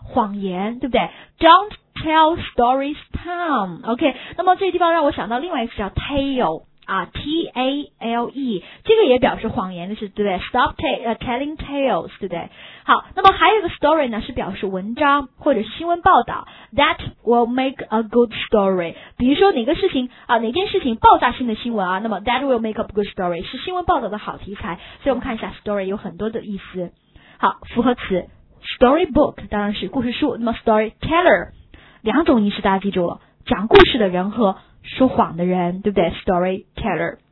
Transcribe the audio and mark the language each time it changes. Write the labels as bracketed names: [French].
[Chinese] 谎言，对不对？ [English] Don'tTell stories, Tom. [Chinese] OK, 那么这个地方让我想到另外一个叫 tale 啊 ，T-A-L-E， 这个也表示谎言的是，对不对 ？ [English] Stop telling tales， [Chinese] 对不对？好，那么还有一个 story 呢，是表示文章或者是新闻报道。 [English] That will make a good story. [Chinese] 比如说哪个事情啊，哪件事情爆炸性的新闻啊，那么 [English] that will make a good story [Chinese] 是新闻报道的好题材。所以我们看一下 story 有很多的意思。好，复合词 storybook 当然是故事书，那么 storyteller。两种意思大家记住了，讲故事的人和说谎的人，对不对 ？Storyteller。